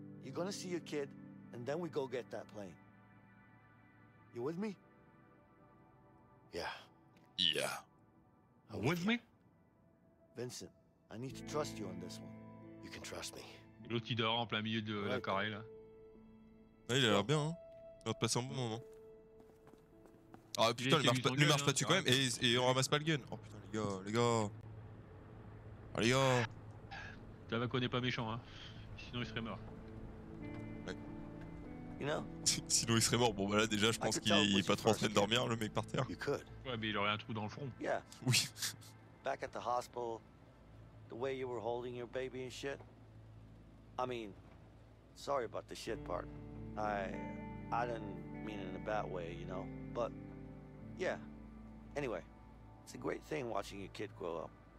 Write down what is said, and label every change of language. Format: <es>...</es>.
<en>You're gonna see your kid, and then we go get that plane. You with me? Yeah. Yeah. I'm with me? Vincent, I need to trust you on this one. You can trust me.</en> <fr>L'autre il dort en plein milieu de la carré là. Ah, il a l'air bien. Hein. Il va te passer un bon moment. Ah oh, putain, lui marche pas dessus quand même et on ramasse pas le gun. Oh putain, les gars. Oh les gars. Tabaco n'est pas méchant, hein. Sinon il serait mort. Ouais. Sinon il serait mort. Bon bah là déjà, je pense qu'il est pas trop en train de dormir, le mec par terre. Ouais, mais il aurait un trou dans le front.</fr> <en>Yeah. Oui. Back at the hospital, the way you were holding your baby and shit. I mean, sorry about the shit part. I didn't mean it in a bad way, you know. But. Yeah. Anyway, it's a great thing watching your kid grow up.</en>